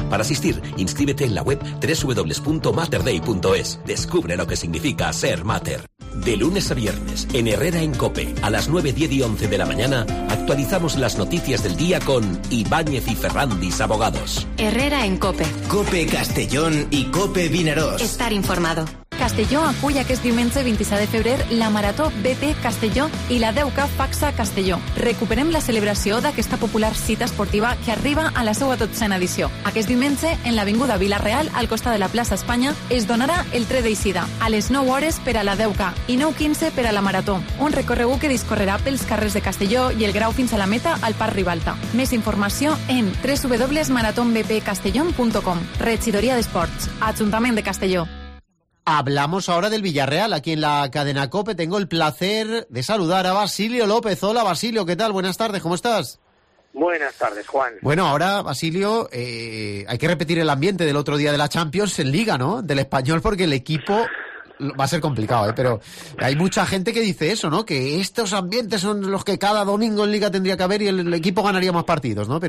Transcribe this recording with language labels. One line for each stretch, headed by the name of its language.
Spanish: Para asistir, inscríbete en la web www.materdei.es. Descubre lo que significa ser mater. De lunes a viernes, en Herrera en COPE, a las 9, 10 y 11 de la mañana, actualizamos las noticias del día con Ibáñez y Ferrandis Abogados. Herrera en COPE. COPE Castellón y COPE Vinaròs. Estar informado.
Catalan: Castelló acull aquest diumenge 26 de febrer la Marató BP Castelló i la 10K Faxa Castelló. Recuperem la celebració d'aquesta popular cita esportiva que arriba a la seva 12a edició. Aquest diumenge, en l'Avinguda Vila Real, al costat de la plaça Espanya, es donarà el 3 d'eixida, a les 9 hores per a la 10K i 9:15 per a la Marató, un recorregut que discorrerà pels carrers de Castelló i el Grau fins a la meta al Parc Ribalta. Més informació en www.maratonbpcastellón.com. Regidoria d'Esports, Ajuntament de Castelló.
Spanish: Hablamos ahora del Villarreal. Aquí en la cadena COPE tengo el placer de saludar a Basilio López. Hola, Basilio, ¿qué tal? Buenas tardes, ¿cómo estás? Buenas tardes, Juan. Bueno, ahora, Basilio, hay que repetir el ambiente del otro día de la Champions en Liga, ¿no? Del Español, porque el equipo va a ser complicado, ¿eh? Pero hay mucha gente que dice eso, ¿no? Que estos ambientes son los que cada domingo en Liga tendría que haber y el equipo ganaría más partidos, ¿no?